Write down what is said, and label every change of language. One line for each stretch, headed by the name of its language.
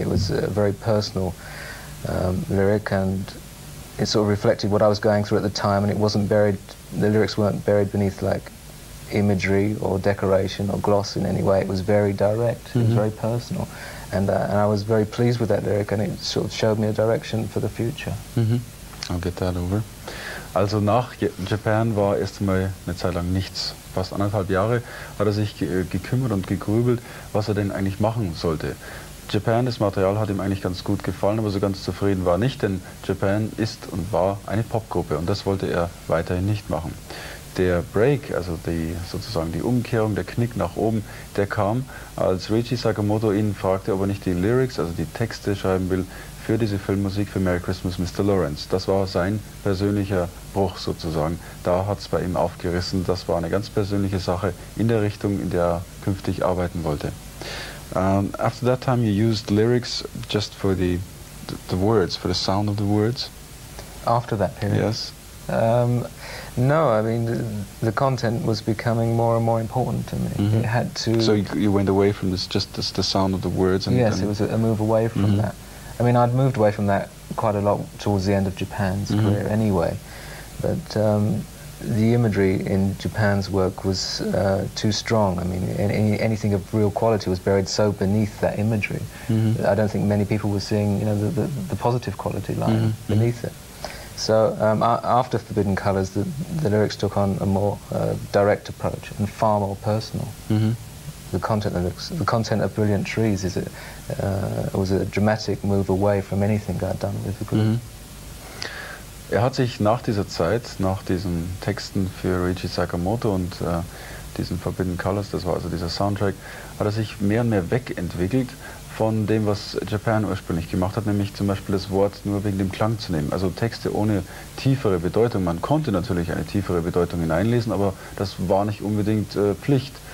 English: It was a very personal lyric, and it sort of reflected what I was going through at the time, and it wasn't buried, the lyrics weren't buried beneath like imagery or decoration or gloss in any way. It was very direct, mm-hmm. it was very personal, and I was very pleased with that lyric, and it sort of showed me a direction for the future. Mm-hmm. I'll get that over.
German: Also nach Japan war erst einmal eine Zeit lang nichts. Fast anderthalb Jahre hat er sich gekümmert und gegrübelt, was er denn eigentlich machen sollte. Japan, das Material hat ihm eigentlich ganz gut gefallen, aber so ganz zufrieden war er nicht, denn Japan ist und war eine Popgruppe und das wollte er weiterhin nicht machen. Der Break, also die Umkehrung, der Knick nach oben, der kam, als Ruichy Sakamoto ihn fragte, ob er nicht die Lyrics, also die Texte schreiben will, für diese Filmmusik für Merry Christmas, Mr. Lawrence. Das war sein persönlicher Bruch sozusagen. Da hat es bei ihm aufgerissen. Das war eine ganz persönliche Sache in der Richtung, in der er künftig arbeiten wollte.
English: After that time you used lyrics just for the words, for the sound of the words? After that period? Yes. No, I mean, the content was becoming more and more important to me. Mm-hmm. It had to... So you went away from this, just the sound of the words? And yes, it was a move away from mm-hmm. that. I mean, I'd moved away from that quite a lot towards the end of Japan's mm-hmm. career anyway, but the imagery in Japan's work was too strong. I mean, anything of real quality was buried so beneath that imagery. Mm-hmm. I don't think many people were seeing, you know, the positive quality lying mm-hmm. beneath it. So after Forbidden Colors, the lyrics took on a more direct approach and far more personal. Mm-hmm. The content of Brilliant Trees was a dramatic move away from anything I'd done with the group. Mm-hmm.
German: Er hat sich nach dieser Zeit, nach diesen Texten für Ruichy Sakamoto und diesen Forbidden Colors, das war also dieser Soundtrack, hat er sich mehr und mehr wegentwickelt von dem, was Japan ursprünglich gemacht hat, nämlich zum Beispiel das Wort nur wegen dem Klang zu nehmen. Also Texte ohne tiefere Bedeutung. Man konnte natürlich eine tiefere Bedeutung hineinlesen, aber das war nicht unbedingt Pflicht.